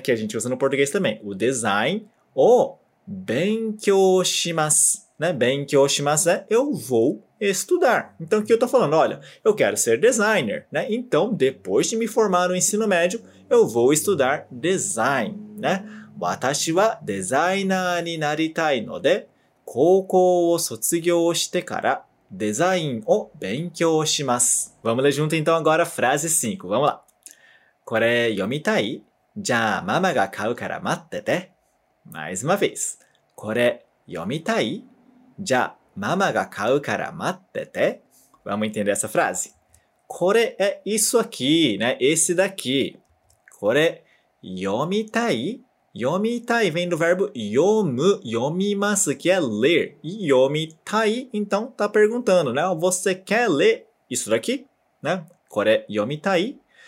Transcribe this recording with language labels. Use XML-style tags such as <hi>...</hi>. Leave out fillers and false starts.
<pt>Que a gente usa no português também. O design o benkyou shimasu, né? Benkyou shimasu é eu vou estudar. Então, aqui eu estou falando, olha, eu quero ser designer, né? Então, depois de me formar no ensino médio, eu vou estudar design, né?</pt> <ja>私はデザイナーになりたいので、高校を卒業してからデザインを勉強します。</ja> <pt>Vamos ler junto então agora a frase 5, vamos lá.</pt> <ja>これ読みたい? じゃあママが買うから待ってて。</ja> <pt>Mais uma vez.</pt> <ja>これ読みたい? じゃあママが買うから待ってて。</ja> <pt>Vamos entender essa frase. これ é isso aqui, né? Esse daqui.</pt> <ja>これ読みたい。</ja> <pt>読みたい vem do verbo 読む、読みます, que é ler. E 読みたい, então tá perguntando, né? Você quer ler isso daqui? Né?</pt> <ja>これ読みたい。</ja>